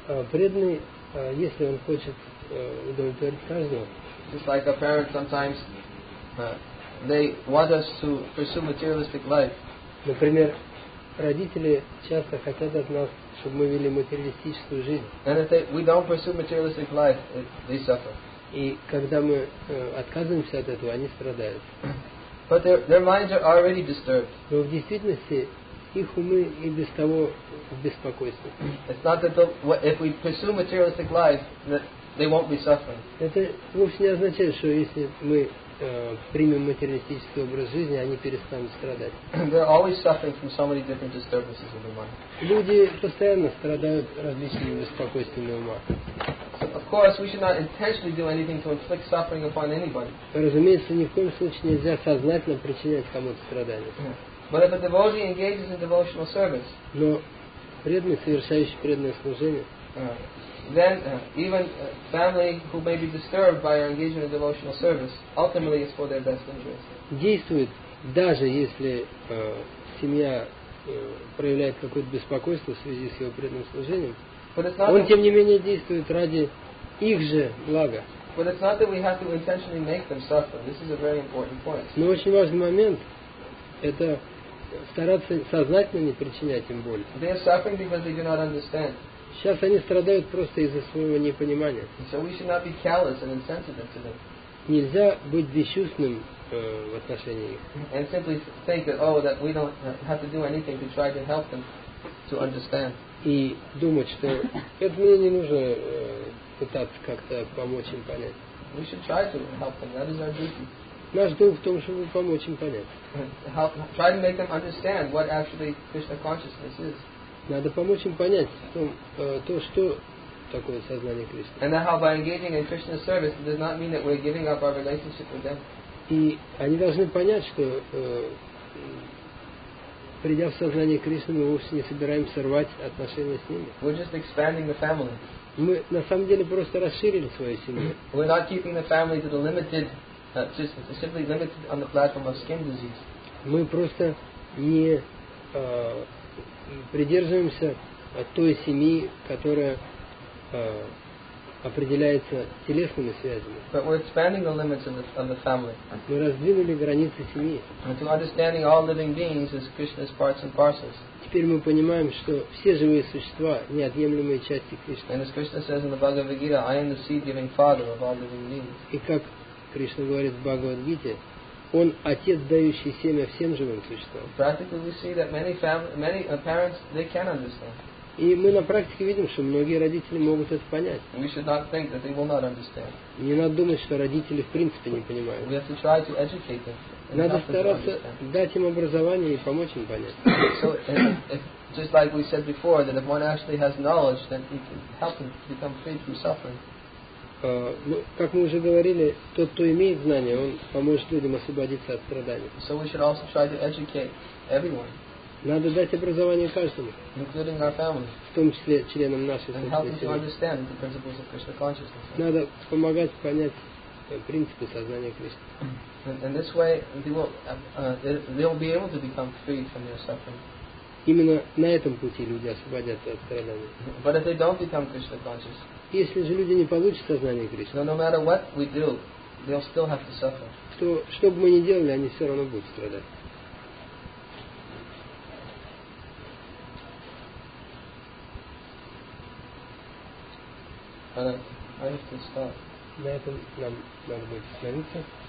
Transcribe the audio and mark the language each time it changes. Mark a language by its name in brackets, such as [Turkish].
[Russian] преданный, если он хочет удовлетворить каждого, [English] just like a parent sometimes, they want us to pursue materialistic life. [Russian] Например, родители часто хотят от нас, чтобы мы вели материалистическую жизнь. [English] And if we don't pursue materialistic life, they suffer. [Russian] И когда мы отказываемся от этого, они страдают. [English] But their minds are already disturbed. [Russian] Но в действительности их умы и без того в беспокойстве. [English] It's not that if we pursue materialistic life, that they won't be suffering. [Russian] Это вовсе не означает, что если мы примем материалистический образ жизни, они перестанут страдать. [English] They're always suffering from so many different disturbances in their mind. [Russian] Люди постоянно страдают различными беспокойствами ума. [English] Of course, we should not intentionally do anything to inflict suffering upon anybody. [Russian] Разумеется, ни в коем случае нельзя сознательно причинять кому-то страдания. [English] But if a devotee engages in devotional service, [Russian] но преданный, совершающий преданное служение, [English] then even family who may be disturbed by our engagement in devotional service, ultimately it's for their best interest. [Russian] Действует даже если семья проявляет какое-то беспокойство в связи с его преданным служением. [English] But it's not [Russian] он, тем не менее, действует ради их же блага. Но очень важный момент – это стараться сознательно не причинять им боль. [English] They are suffering because they do not understand. [Russian] Сейчас они страдают просто из-за своего непонимания. [English] So we should not be callous and insensitive to them. [Russian] Нельзя быть бесчувственным в отношении их. [English] And simply think that, oh, that we don't have to do anything to try to help them to understand. [Russian] И думать, что это мне не нужно пытаться как-то помочь им понять. [English] We should try to help them. That is our duty. [Russian] Наш долг в том, чтобы помочь им понять. [English] Try to make them understand what actually Krishna consciousness is. [Russian] Надо помочь им понять то, что такое сознание Кришны. [English] And how by engaging in Krishna's service it does not mean that we're giving up our relationship with them. [Russian] И они должны понять, что придя в сознание Кришны, мы вовсе не собираемся рвать отношения с ними. [English] We're just expanding the family. [Russian] Мы на самом деле просто расширили свою семью. [English] We're not keeping the family to the limited, just simply limited on the platform of skin disease. [Russian] Мы просто не придерживаемся той семьи, которая определяется телесными связями. [English] But we're expanding the limits of the family. [Russian] Мы раздвинули границы семьи. [English] And to understanding all living beings as Krishna's parts and parcels. [Russian] Теперь мы понимаем, что все живые существа неотъемлемые части Кришны. [English] And as Krishna says in the Bhagavad Gita, I am the seed-giving father of all living beings. [Russian] И как Кришна говорит в Бхагавад Гите, он отец, дающий семя всем живым существам. [English] Practically, we see that many parents they can understand. [Russian] И мы на практике видим, что многие родители могут это понять. [English] We should not think that they will not understand. [Russian] Не надо думать, что родители в принципе не понимают. [English] We have to try to educate them. [Russian] Надо стараться дать им образование и помочь им понять. [English] So, just like we said before, that if one actually has knowledge, then he can help him become free from suffering. [Russian] как мы уже говорили, тот, кто имеет знания, он поможет людям освободиться от страданий. [English] So we should also try to educate everyone. [Russian] Надо дать образование каждому, [English] including our family, [Russian] в том числе членам нашей [English] семьи. And help them to understand the principles of Krishna consciousness. [Russian] Надо помогать понять принципы сознания Кришны. [English] And this way they will be able to become freed from their suffering. [Russian] Именно на этом пути люди освободятся от страданий. [English] But if they don't become Krishna conscious. [Russian] Если же люди не получат сознание Кришны, [English] no matter what we do, they'll still have to suffer. [Russian] То, что бы мы ни делали, они все равно будут страдать. [English] And I have to stop. [Russian] На этом нам надо будет остановиться.